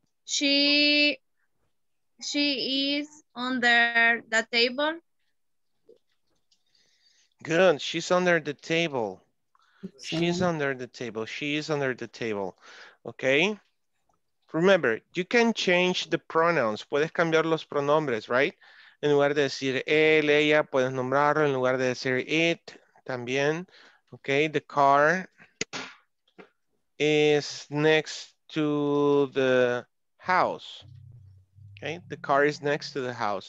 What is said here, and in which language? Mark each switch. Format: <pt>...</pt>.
<en>She is under the table. Good. She's under the table. She's under the table. She is under the table. Okay. Remember, you can change the pronouns.</en> <es>Puedes cambiar los pronombres, right? En lugar de decir él, ella, puedes nombrarlo. En lugar de decir it, también.</es> <en>Okay. The car is next to the house. Okay, the car is next to the house.</en>